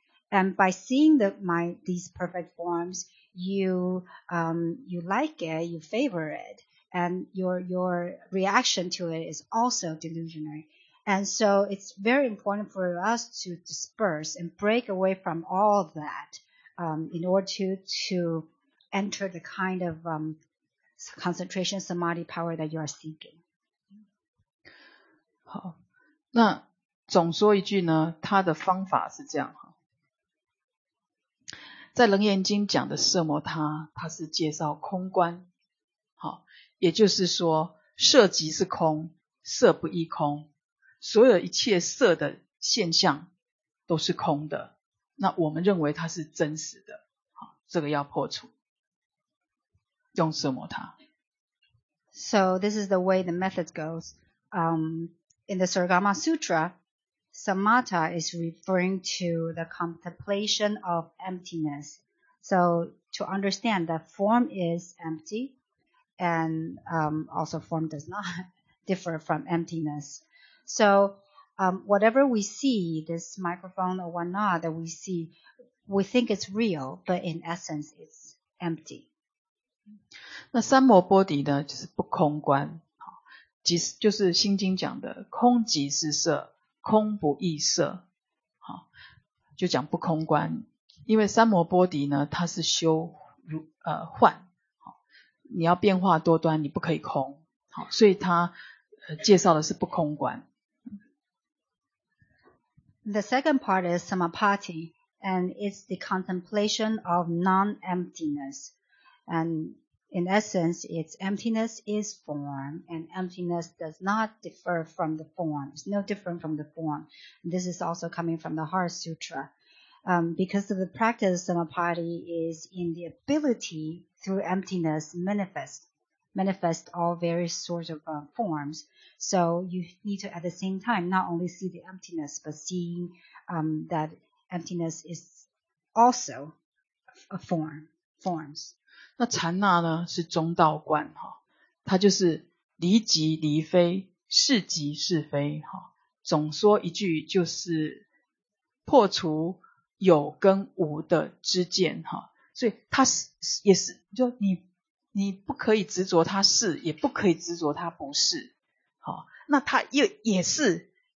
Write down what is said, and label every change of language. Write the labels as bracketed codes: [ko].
[en] And by seeing these perfect forms, you like it, you favor it, and your reaction to it is also delusionary. And so it's very important for us to disperse and break away from all of that, in order to enter the kind of concentration samadhi power that you are seeking. [zh] 好，那总说一句呢，他的方法是这样，在楞严经讲的色摩他，他是介绍空观，好，也就是说色即是空，色不异空，所有一切色的现象都是空的，那我们认为它是真实的，好，这个要破除用色摩他。 [en] So this is the way the method goes. In the Suragama Sutra, Samatha is referring to the contemplation of emptiness. So to understand that form is empty, and also form does not differ from emptiness. So whatever we see, this microphone or whatnot that we see, we think it's real, but in essence it's empty. [zh] 那三摩波底呢，就是不空观，即就是心经讲的空即是色，空不异色，就讲不空观。因为三摩波底呢，它是修如幻，你要变化多端，你不可以空，所以它介绍的是不空观。 [en] The second part is Samapatti, and it's the contemplation of non-emptiness. And in essence, its emptiness is form, and emptiness does not differ from the form. It's no different from the form. This is also coming from the Heart Sutra. Because of the practice, Samapatti is in the ability through emptiness manifest all various sorts of forms. So you need to at the same time not only see the emptiness, but seeing that emptiness is also a form. [zh] 那禅那呢，是中道观，它就是离即离非，是即是非，总说一句就是破除有跟无的之见，所以它也是就你不可以执着它是，也不可以执着它不是，那它也是